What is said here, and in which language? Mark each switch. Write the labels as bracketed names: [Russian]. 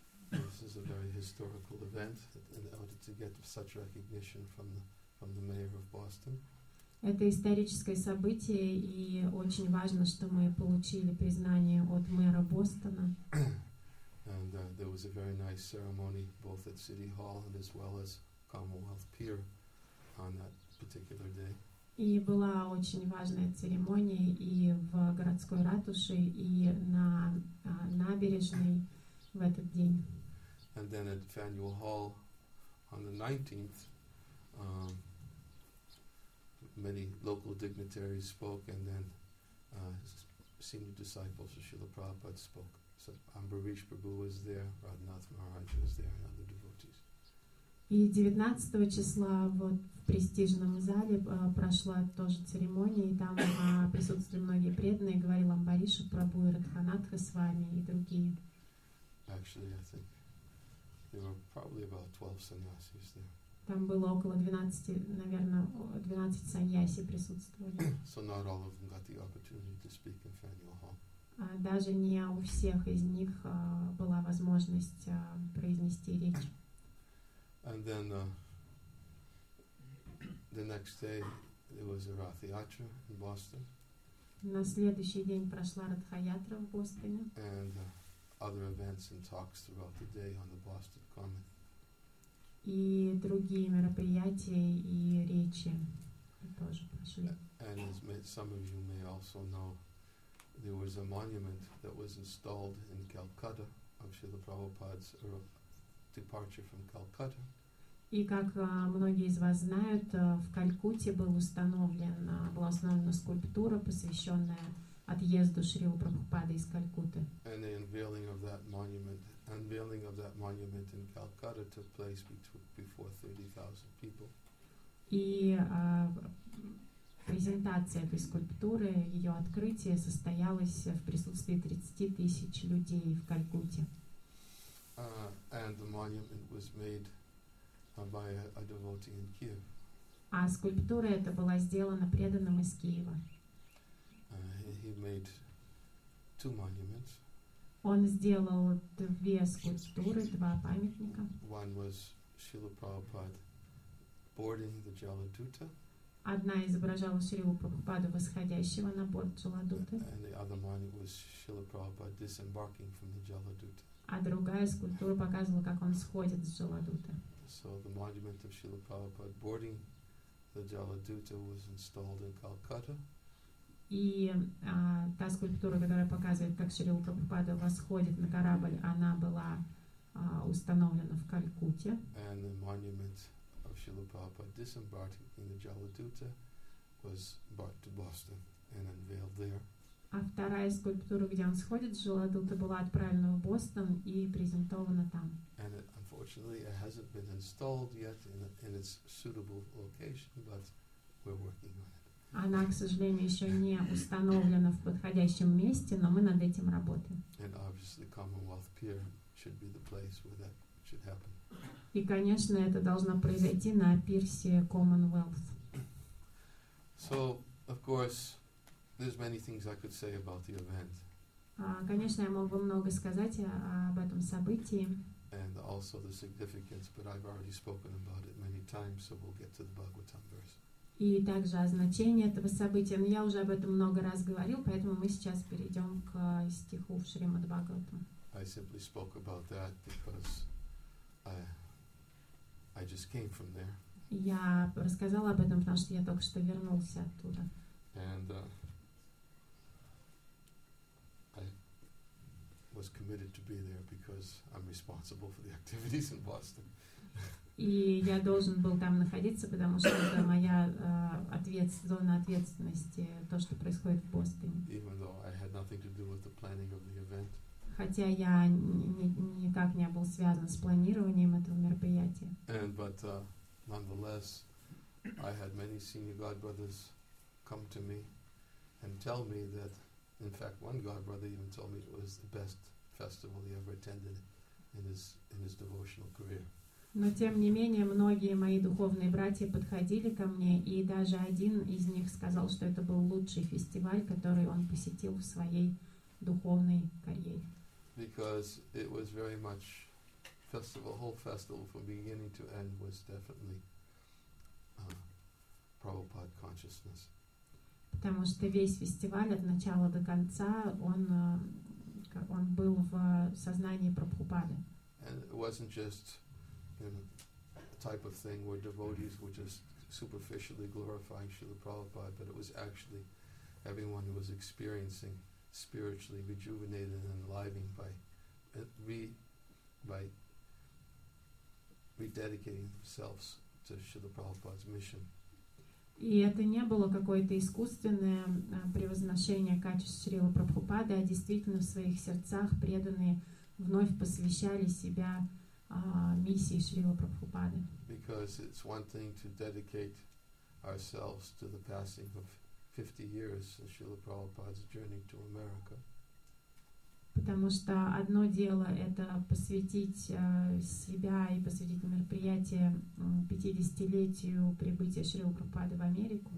[English] This is a very historical event in order to get such recognition from the mayor of Boston. [Russian] Это историческое событие, и очень важно, что мы получили признание от мэра Бостона. [English] And there was a very nice ceremony both at City Hall and as well as Commonwealth Pier on that particular day. [Russian] И была очень важная церемония и в городской ратуше, и на набережной в этот день. [English] And then at Faneuil Hall on the 19th, many local dignitaries spoke, and then senior disciples of Srila Prabhupada spoke. So Ambarish Prabhu was there, Radhanath Maharaj was there, and other devotees. [Russian] И 19 числа вот в престижном зале прошла тоже церемония, и там присутствовали многие преданные, говорил Амбариш Прабу и Радханатха с вами и другие. [English] Actually, I think there were probably about 12 sannyasis there. [Russian] Там было около 12, наверное, 12 саньяси присутствовали. [English] So not all of them got the opportunity to speak in Faneuil Hall. [Russian] Даже не у всех из них была возможность произнести речь. [English] And then the next day there was a Ratha Yatra in Boston. [Russian] На следующий день прошла Ратха Ятра в Бостоне. [English] And other events and talks throughout the day on the Boston Common. [Russian] И другие мероприятия и речи тоже прошли. [English] And as some of you may also know, there was a monument that was installed in Calcutta of Srila Prabhupada's departure from Calcutta. [Russian] И как многие из вас знают, в Калькутте была установлена скульптура, посвященная отъезду Шрилы Прабхупады из Калькутты. [English] And the unveiling of that monument in Calcutta took place before 30,000 people. [Russian] И презентация этой скульптуры, ее открытие состоялось в присутствии 30,000 людей в Калькутте. [English] And the monument was made by a devotee in Kiev. [Russian] А скульптура эта была сделана преданным из Киева. [English] He made two monuments. [Russian] Он сделал две скульптуры, два памятника. [English] One was Srila Prabhupada boarding the Jaladuta. [Russian] Одна изображала Шрилу Прабхупаду восходящего на борт Джаладуты. [English] And the other monument was Srila Prabhupada disembarking from the Jaladuta. [Russian] А другая скульптура показывала, как он сходит с Джаладуты. [English] So the monument of Srila Prabhupada boarding the Jaladuta was installed in Calcutta. [Russian] И та скульптура, которая показывает, как Шрила Прабхупада восходит на корабль, она была установлена в Калькутте. [English] And the monument of Srila Prabhupada disembarking in the Jaladuta was brought to Boston and unveiled there. [Russian] А вторая скульптура, где он сходит с Джаладуты, была отправлена в Бостон и презентована там. [English] And it, unfortunately, it hasn't been installed yet in its suitable location, but we're working on it. [Russian] Она, к сожалению, еще не установлена в подходящем месте, но мы над этим работаем. [English] And obviously, Commonwealth Pier should be the place where that should happen. [Russian] И, конечно, это должно произойти на пирсе Commonwealth. [English] So, of course, there's many things I could say about the event. [Russian] Конечно, я мог бы много сказать об этом событии. [English] And also the significance, but I've already spoken about it many times, so we'll get to the Bhagavatam verse. [Russian] И также о значении этого события. Но я уже об этом много раз говорил, поэтому мы сейчас перейдем к стиху в Шримад Бхагаватам. [English] I simply spoke about that because I just came from there. [Russian] Я рассказала об этом, потому что я только что вернулся оттуда. [English] And I was committed to be there because I'm responsible for the activities in Boston. [Russian] И я должен был там находиться, потому что это моя зона ответственности, то, что происходит в Бостоне. [English] Even though I had nothing to do with the planning of the event. [Russian] Хотя я никак не был связан с планированием этого мероприятия. [English] And but nonetheless, I had many senior God brothers come to me and tell me that, in fact, one God brother even told me it was the best festival he ever attended in his devotional career. [Russian] Но, тем не менее, многие мои духовные братья подходили ко мне, и даже один из них сказал, что это был лучший фестиваль, который он посетил в своей духовной карьере. [English] Because it was very much festival, whole festival from beginning to end was definitely Prabhupada consciousness. [Russian] Потому что весь фестиваль от начала до конца, он был в сознании Прабхупады. [English] And it wasn't just a type of thing where devotees were just superficially glorifying Srila Prabhupada, but it was actually everyone who was experiencing spiritually rejuvenated and enlivened by rededicating themselves to Srila Prabhupada's mission. [Russian] И это не было какое-то искусственное превозношение качеств Шрилы Прабхупады, а действительно в своих сердцах преданные вновь посвящали себя миссии Шрилы Прабхупады. [English] Because it's one thing to dedicate ourselves to the passing of 50 years of Srila Prabhupada's journey to America. [Russian] Потому что одно дело это посвятить себя и посвятить мероприятие 50-летию прибытия Шрилы Прабхупады в Америку.